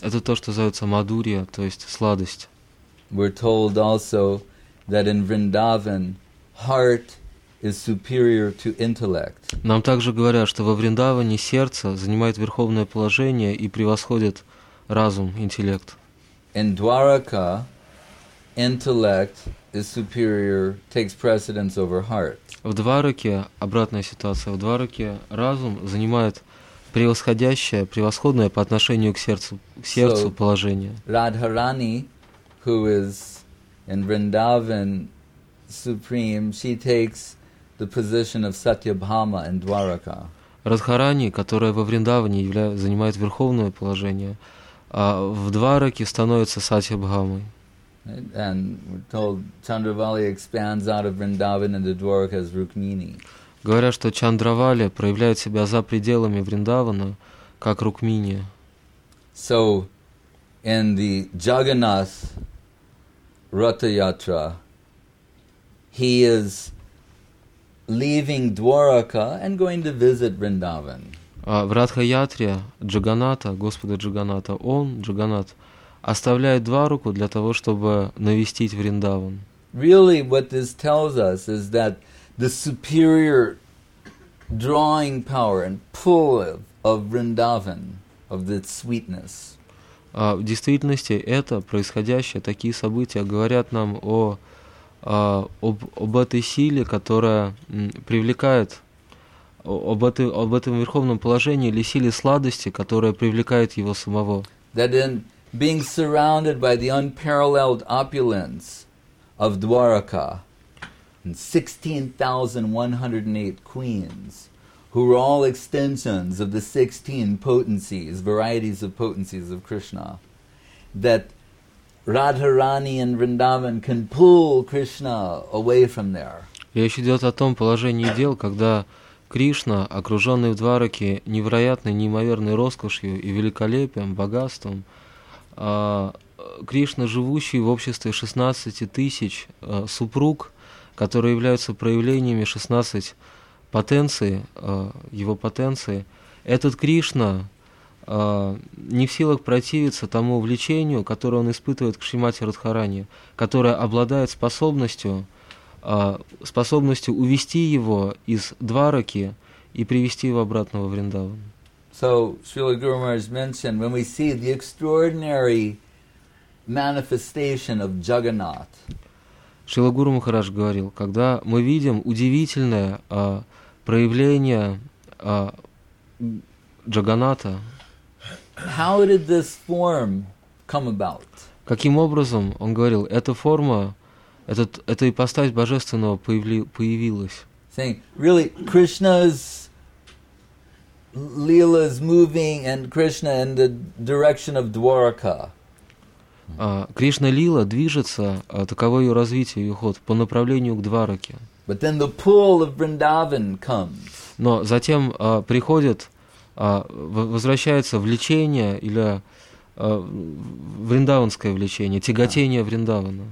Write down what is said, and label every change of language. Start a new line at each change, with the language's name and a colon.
Russian: Это то, что называется мадурья, то есть сладость.
English: We're told also that in Vrindavan, heart is superior to intellect.
Russian: Нам также говорят, что во Вриндаване сердце занимает верховное положение и превосходит разум, интеллект.
English: in Dwaraka, intellect is superior, takes precedence over heart.
Russian: В Двараке обратная ситуация. В Двараке разум занимает превосходящее, превосходное по отношению к сердцу
English: so,
Russian: положение.
English: Радхарани, who is in Vrindavan supreme, she takes the position of Satyabhama in Dwaraka.
Russian: Радхарани, которая во Вриндаване занимает верховное положение, в Двараке становится Сатьябхамой.
English: And we're told Chandravali expands out of Vrindavan into Dwaraka as Rukmini.
Russian: Говорят, что Чандравали проявляет себя за пределами Вриндавана, как Рукмини.
English: So, in the Jagannath Ratha Yatra, he is leaving Dwaraka and going to visit Vrindavan.
Russian: В Ратха Ятре Джаганната, Господа Джаганната, он, Джаганат, оставляет Двараку для того, чтобы навестить Вриндаван.
English: Really, what this tells us is that the superior drawing power and pull of Vrindavan, of the sweetness.
Russian: В действительности, это происходящее, такие события говорят нам о об этой силе, которая привлекает, об этом верховном положении или силе сладости, которая привлекает его самого.
English: That in being surrounded by the unparalleled opulence of Dwaraka and 16,108 queens, who were all extensions of the 16 potencies, varieties of potencies of Krishna, that Radharani and Vrindavan can pull Krishna away from there.
Russian: Речь идет о том положении дел, когда Кришна, окруженный в Двараке невероятной, неимоверной роскошью и великолепием, богатством, Кришна, живущий в обществе 16 тысяч супруг, которые являются проявлениями 16 потенций, его потенции, этот Кришна не в силах противиться тому влечению, которое он испытывает к Шримати Радхарани, которая обладает способностью увести его из Двараки и привести его обратно во Вриндаван.
English: So, Srila Guru Maharaj mentioned, when we see the extraordinary manifestation of Jagannath.
Russian: Srila Guru Maharaj говорил, когда мы видим удивительное проявление Джаганната,
English: how did this form come about?
Russian: Каким образом, он говорил, эта форма, эта ипостась божественного появилась?
English: Saying, really, Krishna's Lila is moving and Krishna in the direction of Dwaraka.
Russian: Кришна Лила движется, таково ее развитие, ее ход, по направлению к Двараке.
English: But then the pull of Vrindavan comes.
Russian: Но затем приходит, возвращается влечение или вриндаванское влечение, тяготение Вриндавана.